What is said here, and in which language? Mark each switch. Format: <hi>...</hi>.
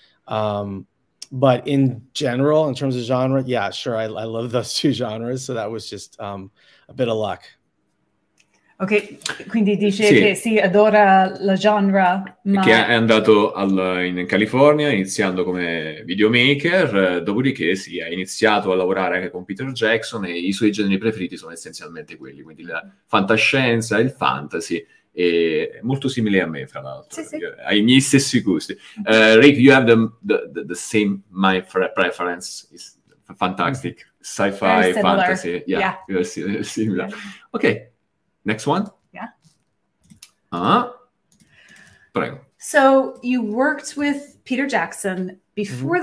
<en>But in general, in terms of genre, yeah, sure. I love those two genres. So that was just a bit of luck.</en> <it>Ok, quindi dice sì. Che si adora la genre, ma... Che è andato in California iniziando come videomaker, dopodiché si sì, è iniziato a lavorare anche con Peter Jackson e i suoi generi preferiti sono essenzialmente quelli, quindi la fantascienza, il fantasy, e molto simile a me, fra l'altro, sì, sì. Ai miei stessi gusti.</it> <en>Rick, you have the same my preference, it's fantastic, sci-fi, fantasy, yeah. Yeah. Similar. Yeah. Ok. Next one? Yeah.</en> <it>Prego.</it> <en>So you worked with Peter Jackson before mm-hmm.</en>